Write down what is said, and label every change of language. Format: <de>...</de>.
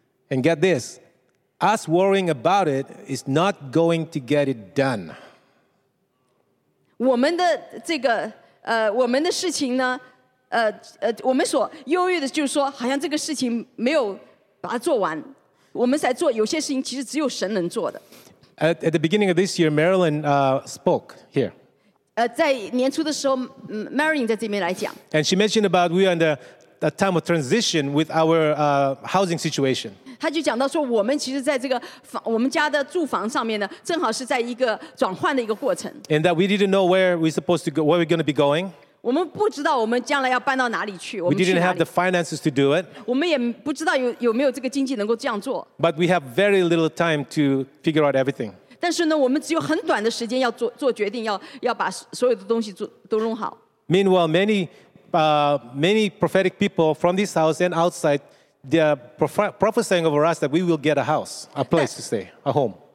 <en>And get this, us worrying about it is not going to get it done.</en> <zh>我们的这个我们的事情呢，我们所忧郁的就是说，好像这个事情没有把它做完。</zh> <en>At the beginning of this year, Marilyn spoke here.</en> <zh>在年初的时候, Marilyn 在这边来讲。</zh> <en>And she mentioned about we are in the a time of transition with our housing situation.</en> <zh>他就讲到说我们其实在这个房我们家的住房上面呢正好是在一个转换的一个过程。</zh> <en>And that we didn't know where we're supposed to go, where we're going to be going.</en> <zh>我们不知道我们将来要搬到哪里去,</zh> <en>we didn't have the finances to do it.</en> <zh>我们也不知道有没有这个经济能够这样做。</zh> <en>But we have very little time to figure out everything.</en> <zh>但是呢我们只有很短的时间要做决定要把所有的东西都弄好。</zh> <en>Meanwhile, many prophetic people from this house and outside, they are prophesying over us that we will get a house, a place to stay, a home.</en>